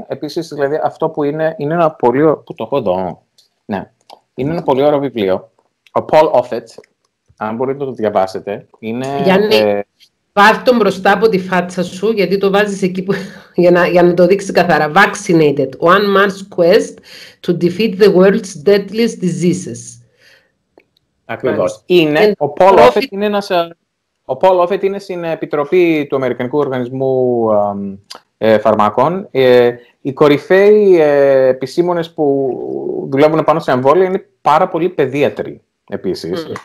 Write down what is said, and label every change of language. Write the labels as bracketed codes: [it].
[el] Επίσης, δηλαδή, αυτό που είναι ένα πολύ ωραίο... Που το έχω εδώ. Ναι. Είναι ένα πολύ ωραίο βιβλίο. Ο Paul Offit, αν μπορείτε να το διαβάσετε, είναι... Γιάννη, Βάλ το μπροστά από τη φάτσα σου, γιατί το βάζεις εκεί που, για να το δείξει καθαρά. [en] Vaccinated. One man's quest to defeat the world's deadliest diseases. [el] Ακριβώς. Είναι, ο Paul Offit είναι ένας... Ο Paul Offit είναι στην Επιτροπή του Αμερικανικού Οργανισμού Φαρμακών. Οι κορυφαίοι επισήμονες που δουλεύουν πάνω σε εμβόλια είναι πάρα πολλοί παιδίατροι, επίσης. Mm.